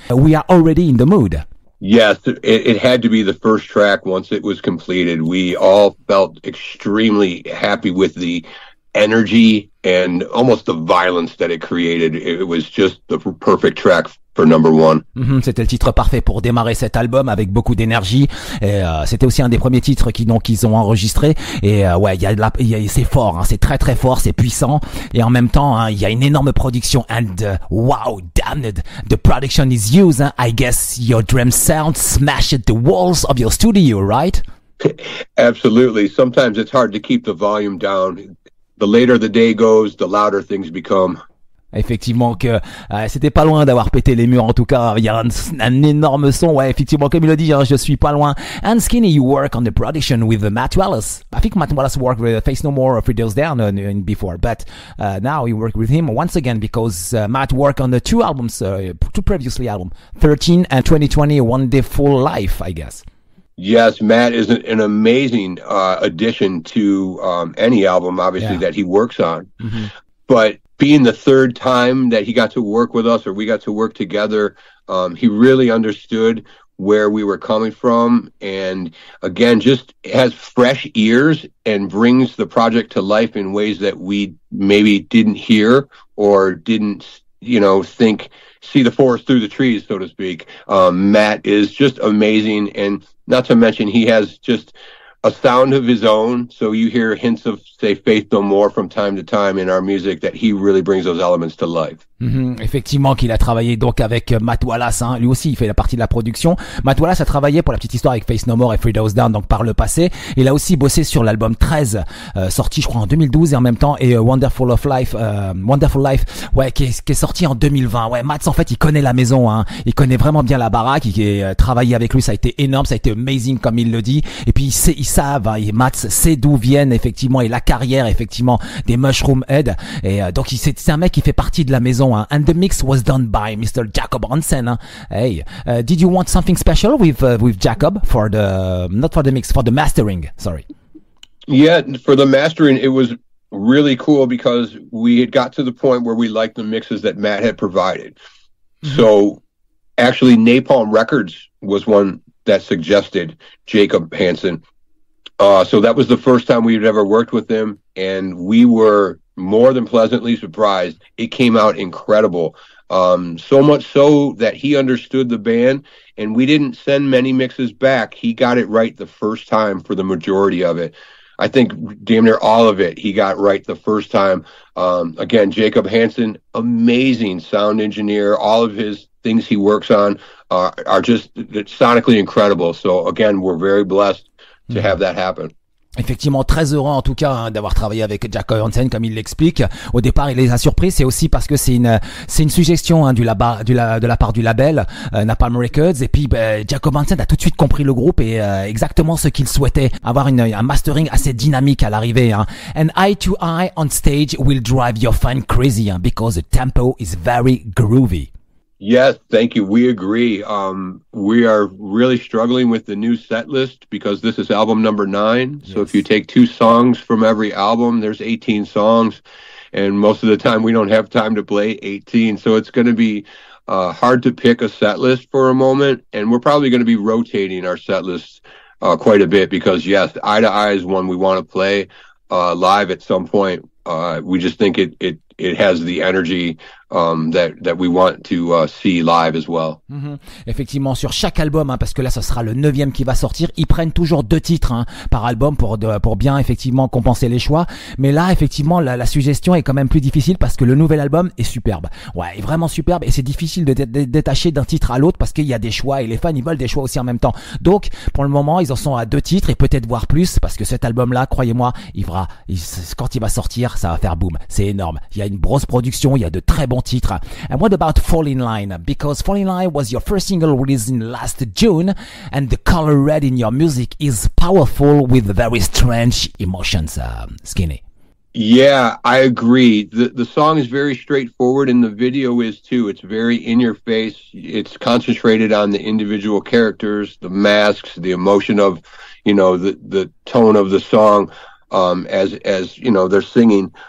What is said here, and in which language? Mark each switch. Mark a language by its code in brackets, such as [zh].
[en] We are already in the mood. Yes, it had to be the first track once it was completed. We all felt extremely happy with the energy and almost the violence that it created. It was just the perfect track for number one. [fr] C'était le titre parfait pour démarrer cet album avec beaucoup d'énergie. C'était aussi un des premiers titres qu'ils ont enregistré. Et ouais, c'est fort, hein, c'est très très fort, c'est puissant. Et en même temps, il y a une énorme production. [en] And wow, damn it, the production is huge. Hein. I guess your drum sound smashed the walls of your studio, right? Absolutely. Sometimes it's hard to keep the volume down. The later the day goes, the louder things become. [fr] Effectivement que c'était pas loin d'avoir pété les murs, en tout cas il y a un énorme son, ouais, effectivement comme il le dit, hein, je suis pas loin. [en] And Skinny, you work on the production with Matt Wallace. I think Matt Wallace worked with Face No More 3 Days Down before, but now you work with him once again because Matt worked on the two albums, two previously albums, 13 and 2020 A Wonderful Life, I guess. Yes, Matt is an amazing addition to any album, obviously, yeah, that he works on. But being the third time that he got to work with us, or we got to work together, he really understood where we were coming from. And again, just has fresh ears and brings the project to life in ways that we maybe didn't hear or didn't, you know, think, see the forest through the trees, so to speak. Matt is just amazing. And not to mention, he has just a sound of his own, so you hear hints of, say, Faith No More from time to time in our music, that he really brings those elements to life. [fr] Effectivement qu'il a travaillé donc avec Matt Wallace, hein. Lui aussi il fait la partie de la production. Matt Wallace a travaillé, pour la petite histoire, avec Face No More et 3 Doors Down, donc par le passé. Il a aussi bossé sur l'album 13, sorti je crois en 2012, et en même temps et Wonderful Life, ouais, qui est sorti en 2020. Ouais, Matt, en fait, il connaît la maison, hein. Il connaît vraiment bien la baraque. Il est travaillé avec lui, ça a été énorme, ça a été amazing comme il le dit. Et puis ils savent, hein, Matt sait d'où viennent effectivement, et la carrière effectivement des MushroomHead. Et donc c'est un mec qui fait partie de la maison. [en] And the mix was done by Mr. Jacob Hansen. Hey, did you want something special with Jacob for the, not for the mix, for the mastering, sorry? Yeah, for the mastering, it was really cool because we had got to the point where we liked the mixes that Matt had provided. So actually, Napalm Records was one that suggested Jacob Hansen. So that was the first time we had ever worked with him, and we were more than pleasantly surprised. It came out incredible. So much so that he understood the band, and we didn't send many mixes back. He got it right the first time for the majority of it. I think damn near all of it he got right the first time. Again, Jacob Hansen, amazing sound engineer. All of his things he works on are just sonically incredible. So again, we're very blessed to have that happen. [fr] Effectivement, très heureux en tout cas hein, d'avoir travaillé avec Jacko Hansen, comme il l'explique. Au départ, il les a surpris. C'est aussi parce que c'est une suggestion hein, de la part du label Napalm Records. Et puis, Jacko Hansen a tout de suite compris le groupe et exactement ce qu'il souhaitait, avoir un mastering assez dynamique à l'arrivée. Hein. [en] And eye to eye on stage will drive your fan crazy hein, because the tempo is very groovy. Yes, thank you. We agree. We are really struggling with the new set list because this is album number 9. Yes. So if you take 2 songs from every album, there's 18 songs. And most of the time we don't have time to play 18. So it's going to be hard to pick a set list for a moment. And we're probably going to be rotating our set list quite a bit because, yes, Eye to Eye is one we want to play live at some point. We just think it has the energy that we want to see live as well. Mm-hmm. [fr] Effectivement, sur chaque album, hein, parce que là, ce sera le 9e qui va sortir, ils prennent toujours 2 titres hein, par album pour bien effectivement compenser les choix. Mais là, effectivement, la suggestion est quand même plus difficile parce que le nouvel album est superbe. Ouais, est vraiment superbe et c'est difficile de détacher d'un titre à l'autre parce qu'il y a des choix et les fans, ils veulent des choix aussi en même temps. Donc, pour le moment, ils en sont à 2 titres et peut-être voire plus parce que cet album-là, croyez-moi, quand il va sortir, ça va faire boom. C'est énorme. Il y a une grosse production, il y a de très bons titres. [en] And what about Fall in Line? Because Fall in Line was your first single released in last June, and the color red in your music is powerful with very strange emotions. Skinny. Yeah, I agree. The song is very straightforward, and the video is too. It's very in your face. It's concentrated on the individual characters, the masks, the emotion of, you know, the tone of the song, as you know, they're singing.